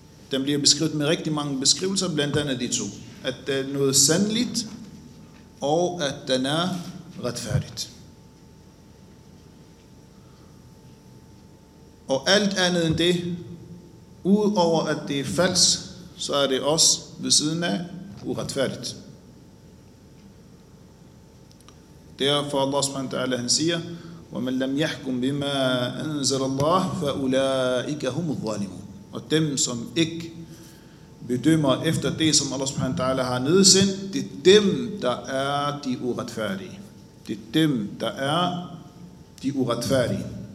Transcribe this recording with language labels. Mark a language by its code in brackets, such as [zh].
[da] Den bliver beskrevet med rigtig mange beskrivelser, blandt andet de to. At det er noget sandeligt, og at den er retfærdigt. Og alt andet end det, udover at det er falsk, så er det også ved siden af uretfærdigt. Derfor Allah subhanahu wa ta'ala han siger, [ar] وَمَنْ لَمْ يَحْكُمْ بِمَا أَنزَلَ اللَّهُ فَأُولَٰئِكَ هُمُ الظَّالِمُونَ. [da] Og dem, som ikke bedømmer efter det, som Allah subhanahu wa ta'ala har nedsendt, det er dem, der er de uretfærdige. Det er dem, der er de uretfærdige.